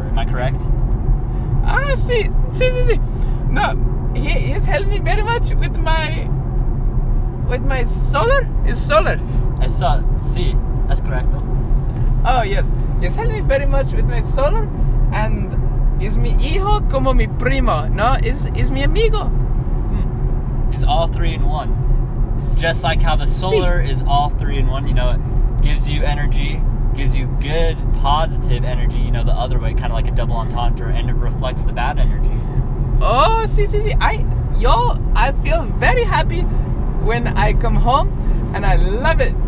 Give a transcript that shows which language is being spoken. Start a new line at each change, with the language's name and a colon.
English: Am I correct?
Spanish: Ah, sí. Sí.
English: No, he's helped me very much with my solar. It's solar.
Spanish: Sí. That's correcto.
English: Oh, yes. He's helped me very much with my solar and...
Spanish: Is mi hijo como mi primo, no? Is mi amigo.
English: He's all three in one. Just like how the solar is all three in one, you know, it gives you energy, gives you good, positive energy, you know, the other way, kind of like a double entendre, and it reflects the bad energy.
Spanish: Oh, sí.
English: I feel very happy when I come home, and I love it.